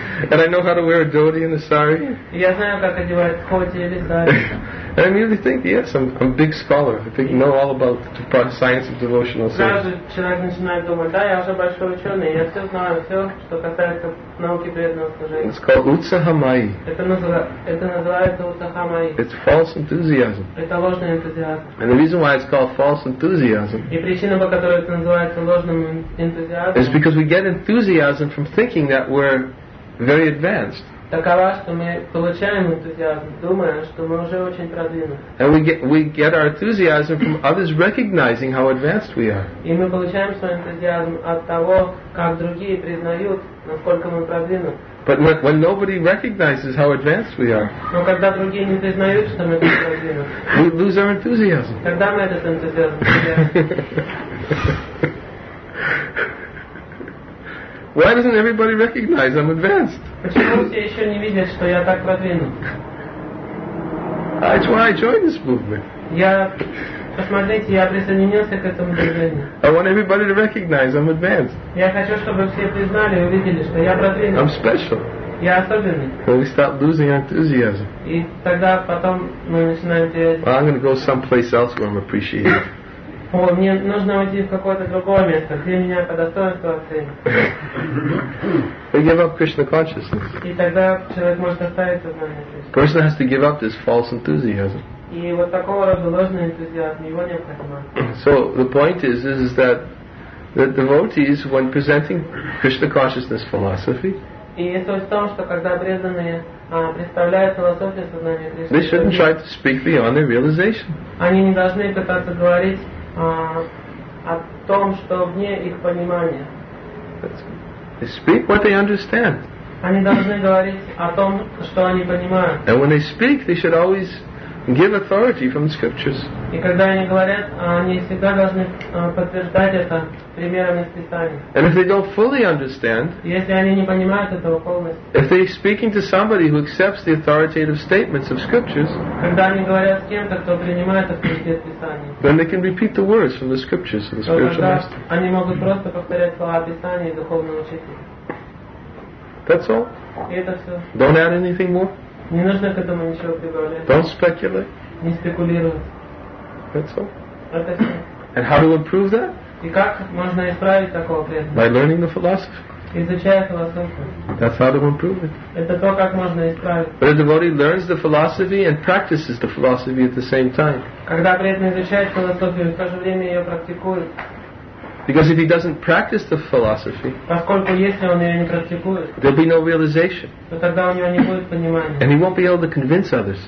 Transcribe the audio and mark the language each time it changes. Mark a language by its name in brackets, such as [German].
[English] And I know how to wear a dhoti and a sari. [Russian] Я знаю, как одевать дхоти или сари. [English] And I immediately think, yes, I'm a big scholar. I think know all about the science of devotional service. It's called utsahamai. It's false enthusiasm. And the reason why it's called false enthusiasm is because we get enthusiasm from thinking that we're very advanced. [Russian] Такова, что мы получаем энтузиазм, думая, что мы уже очень продвинуты. [English] And we get our enthusiasm from others recognizing how advanced we are. [Russian] И мы получаем свой энтузиазм от того, как другие признают, насколько мы продвинуты. [English] But when nobody recognizes how advanced we are, [Russian] но когда другие не признают, что мы продвинуты, [English] we lose our enthusiasm. [Russian] Тогда мы этот энтузиазм теряем. [English] Why doesn't everybody recognize I'm advanced? That's why I joined this movement. I want everybody to recognize I'm advanced. I'm special. When we start losing our enthusiasm. Well, I'm going to go someplace else where I'm appreciated. [Russian] О, мне нужно уйти в какое-то другое место, где меня по достоинству оценят. [English] We give up Krishna consciousness. [Russian] И тогда человек может оставить сознание. [English] Krishna has to give up this false enthusiasm. [Russian] И вот такого рода ложный энтузиазм его необходимо. [English] So the point is that the devotees, when presenting Krishna consciousness philosophy. [Russian] И суть в том, что когда преданные представляют философию сознания Кришны. [English] They shouldn't try to speak beyond their realization. [Russian] Они не должны пытаться говорить о том, что вне их понимания. [English] They speak what they understand. [Russian] Они должны говорить о том, что они понимают. [English] And when they speak, they should always give authority from the scriptures. [Russian] И когда они говорят, они всегда должны подтверждать это примерами из Писания. [English] And if they don't fully understand, [Russian] если они не понимают этого полностью, [English] if they're speaking to somebody who accepts the authoritative statements of scriptures, [Russian] когда они говорят с кем-то, кто принимает авторитет Писания, [English] then they can repeat the words from the scriptures of the spiritual master. [Russian] Они могут просто повторять слова Писания и духовного учителя. [English] That's all. [Russian] И это все. [English] Don't add anything more. [Russian] Не нужно к этому ничего прибавлять. [English] Don't speculate. [Russian] Не спекулируй. [English] That's all. [Russian] Это все. [English] And how to improve that? [Russian] И как можно исправить такого преданного? [English] By learning the philosophy. [Russian] Изучая философию. [English] That's how to improve it. [Russian] Это то, как можно исправить. [English] But a devotee learns the philosophy and practices the philosophy at the same time. [Russian] Когда преданный изучает философию, в то же время ее практикует. [English] Because if he doesn't practice the philosophy, there'll be no realization. And he won't be able to convince others.